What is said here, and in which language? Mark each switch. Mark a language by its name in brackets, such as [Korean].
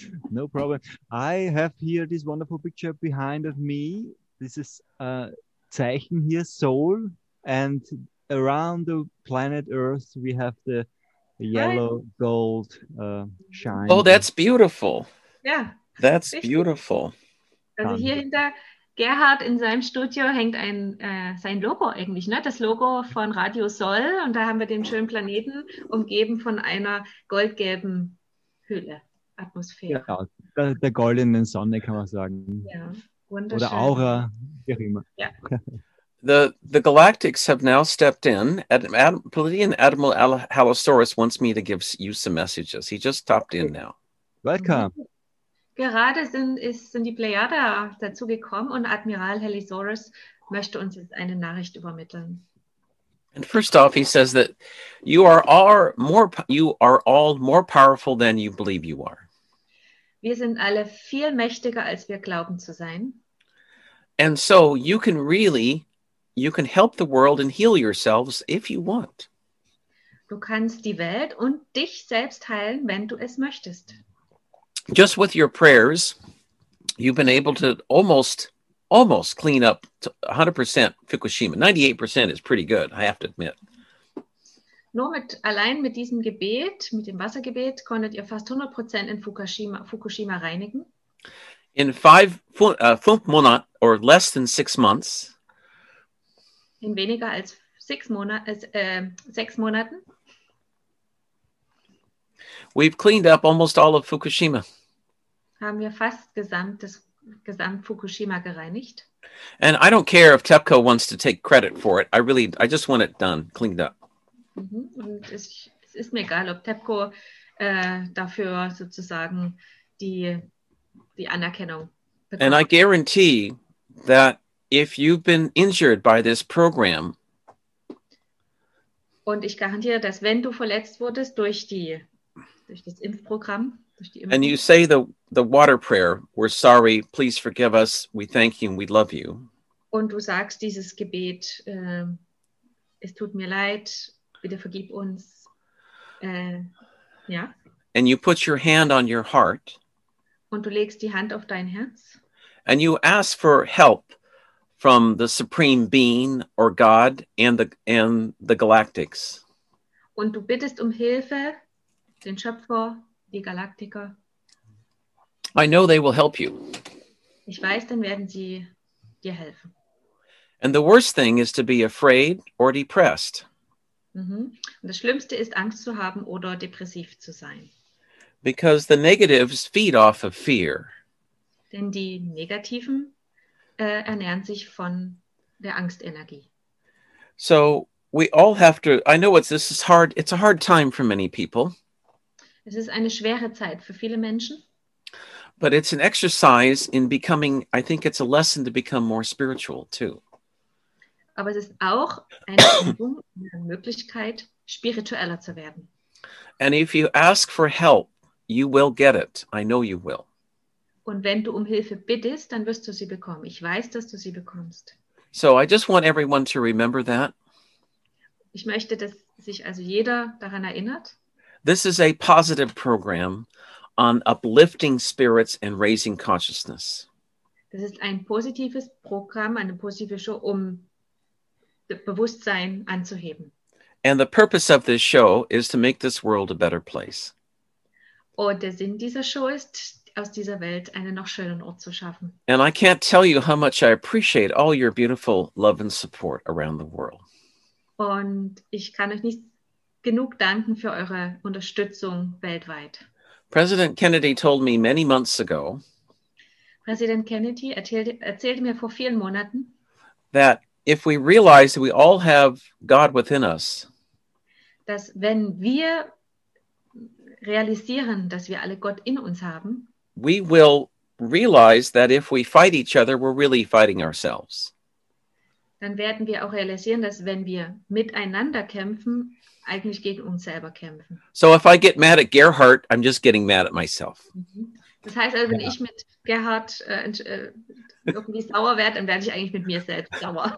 [English] no problem. I have here this wonderful picture behind of me. This is a Zeichen here, Soul. And around the planet Earth, we have the yellow gold shine. Oh, that's beautiful. Yeah. That's richtig. Beautiful. [German] Also hier hinter Gerhard in seinem Studio hängt sein Logo eigentlich, ne? Das Logo von Radio Sol. Und da haben wir den schönen Planeten umgeben von einer goldgelben Hülle, Atmosphäre. Ja, der goldenen Sonne, kann man sagen. Ja, wunderschön. Oder Aura, wie auch immer. Ja. [English] The Galactics have now stepped in. Palladian Admiral Halosaurus wants me to give you some messages. He just stopped in now. Welcome. [German] Gerade sind die Plejada dazu gekommen und Admiral Halosaurus möchte uns jetzt eine Nachricht übermitteln. [English] And first off, he says that you are all more powerful than you believe you are. [German] Wir sind alle viel mächtiger, als wir glauben zu sein. [English] And so you can help the world and heal yourselves if you want. [German] Du kannst die Welt und dich selbst heilen, wenn du es möchtest. [English] Just with your prayers, you've been able to almost clean up 100% Fukushima. 98% is pretty good, I have to admit. [German] Nur allein mit diesem Gebet, mit dem Wassergebet, konntet ihr fast 100% in Fukushima reinigen. In fünf Monaten, [English] or less than 6 months. [German] In weniger als sechs Monaten. [English] We've cleaned up almost all of Fukushima. [German] Haben wir fast gesamt Fukushima gereinigt. [English] And I don't care if TEPCO wants to take credit for it. I just want it done, cleaned up. Mm-hmm. [German] Und es ist mir egal, ob TEPCO dafür sozusagen die Anerkennung bekommt. [English] And I guarantee that if you've been injured by this program. [German] Und ich garantiere, dass wenn du verletzt wurdest durch das Impfprogramm, [English] and you say the water prayer, we're sorry, please forgive us, we thank you, and we love you. [German] Und du sagst dieses Gebet, es tut mir leid, bitte vergib uns. Ja. [English] And you put your hand on your heart. [German] Und du legst die Hand auf dein Herz. [English] And you ask for help from the supreme being or God and the galactics. [German] Und du bittest um Hilfe, den Schöpfer. Die Galaktiker. [English] I know they will help you. [German] Ich weiß, dann werden sie dir helfen. [English] And the worst thing is to be afraid or depressed. Mm-hmm. [German] Und das Schlimmste ist, Angst zu haben oder depressiv zu sein. [English] Because the negatives feed off of fear. [German] Denn die Negativen ernähren sich von der Angstenergie. [English] So we all have to, I know this is hard, it's a hard time for many people. [German] Es ist eine schwere Zeit für viele Menschen. [English] But it's an exercise in becoming, I think it's a lesson to become more spiritual too. [German] Aber es ist auch eine Möglichkeit, spiritueller zu werden. [English] And if you ask for help, you will get it. I know you will. [German] Und wenn du um Hilfe bittest, dann wirst du sie bekommen. Ich weiß, dass du sie bekommst. [English] So I just want everyone to remember that. [German] Ich möchte, dass sich also jeder daran erinnert. [English] This is a positive program on uplifting spirits and raising consciousness. [German] Das ist ein positives Programm, eine positive Show, um Bewusstsein anzuheben. [English] And the purpose of this show is to make this world a better place. [German] Und der Sinn dieser Show ist, aus dieser Welt einen noch schöneren Ort zu schaffen. [English] And I can't tell you how much I appreciate all your beautiful love and support around the world. [German] Und ich kann euch nicht genug danken für eure Unterstützung weltweit. [English] President Kennedy told me many months ago. [German] Präsident Kennedy erzählte mir vor vielen Monaten, [English] that if we realize we all have God within us, [German] dass wenn wir realisieren, dass wir alle Gott in uns haben, [English] we will realize that if we fight each other, we're really fighting ourselves. [German] Dann werden wir auch realisieren, dass wenn wir miteinander kämpfen, eigentlich gegen uns selber kämpfen. [English] So if I get mad at Gerhard, I'm just getting mad at myself. [German] Das heißt also, wenn ich mit Gerhard irgendwie sauer werde, dann werde ich eigentlich mit mir selbst sauer.